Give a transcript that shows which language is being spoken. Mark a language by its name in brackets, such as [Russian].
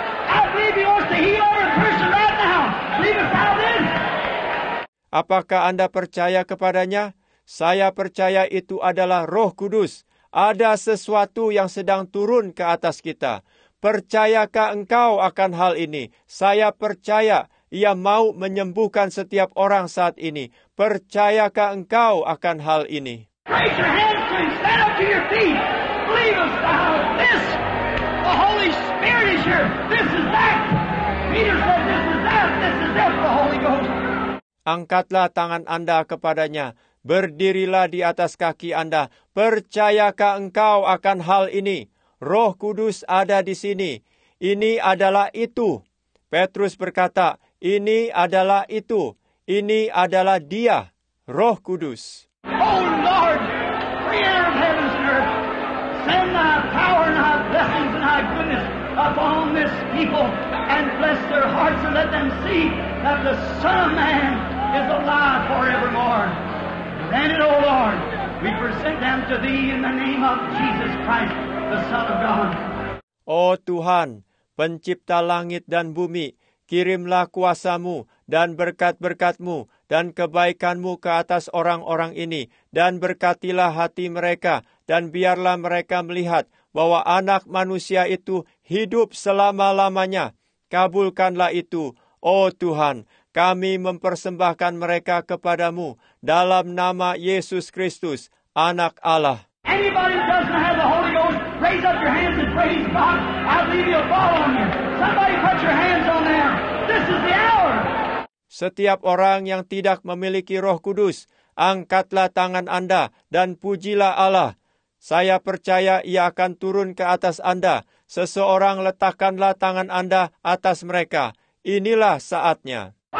[English] I believe He wants to heal every person right now. Believest thou this? [Indonesian] Apakah Anda percaya kepada-Nya? Saya percaya itu adalah Roh Kudus. Ada sesuatu yang sedang turun ke atas kita. Percayakah engkau akan hal ini? Saya percaya Ia mau menyembuhkan setiap orang saat ini. Percayakah engkau akan hal ini? [English] Raise your hands and stand up to your feet. Believest thou this? The Holy Spirit is here. This is that. Peter said this is that. This is that, the Holy Ghost. [Indonesian] Angkatlah tangan Anda kepada-Nya. Berdirilah di atas kaki Anda. Percayakah engkau akan hal ini? Roh Kudus ada di sini. Ini adalah itu. Petrus berkata, ini adalah itu. Ini adalah Dia, Roh Kudus. [English] Oh Lord, Creator of heavens and earth, send thy power and thy blessings and thy goodness upon this people and bless their hearts and let them see that the Son of Man is alive forevermore. Grant it, O Lord, we present them to Thee in the name of Jesus Christ, the Son of God. [Indonesian] O Tuhan, pencipta langit dan bumi, kirimlah kuasa-Mu dan berkat-berkat-Mu dan kebaikan-Mu ke atas orang-orang ini, dan berkatilah hati mereka, dan biarlah mereka melihat bahwa anak manusia itu hidup selama-lamanya. Kabulkanlah itu, oh Tuhan, kami mempersembahkan mereka kepadamu dalam nama Yesus Kristus, anak Allah. [English] Anybody who doesn't have the Holy Ghost, raise up your hands and praise God. I'll leave you a ball on you. Somebody put your hands on there. This is the hour. [Indonesian] Setiap orang yang tidak memiliki Roh Kudus, angkatlah tangan Anda dan pujilah Allah. Saya percaya Ia akan turun ke atas Anda. Seseorang letakkanlah tangan Anda atas mereka. Inilah saatnya.